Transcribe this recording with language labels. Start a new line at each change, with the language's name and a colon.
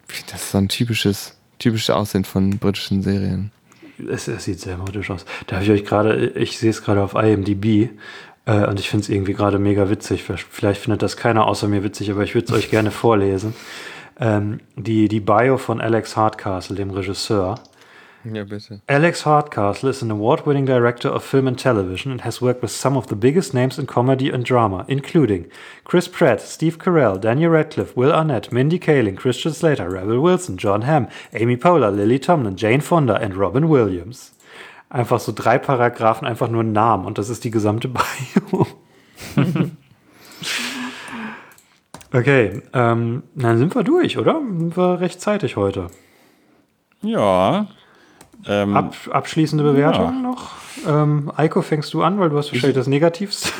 German: Das ist so ein typisches Aussehen von britischen Serien. Es sieht sehr modisch aus. Da habe ich euch gerade, ich sehe es gerade auf IMDb und ich finde es irgendwie gerade mega witzig. Vielleicht findet das keiner außer mir witzig, aber ich würde es euch gerne vorlesen. Die Bio von Alex Hardcastle, dem Regisseur. Ja, bitte.
English: Alex Hardcastle is an award-winning director of film and television and has worked with some of the biggest names in comedy and drama, including Chris Pratt, Steve Carell, Daniel Radcliffe, Will Arnett, Mindy Kaling, Christian Slater, Rebel Wilson, John Hamm, Amy Poehler, Lily Tomlin, Jane Fonda und Robin Williams.
German: Einfach so drei Paragraphen, einfach nur Namen und das ist die gesamte Bio. Okay, dann sind wir durch, oder? Sind wir rechtzeitig heute? Ja. Abschließende Bewertung noch. Eiko, fängst du an, weil du hast wahrscheinlich das Negativste.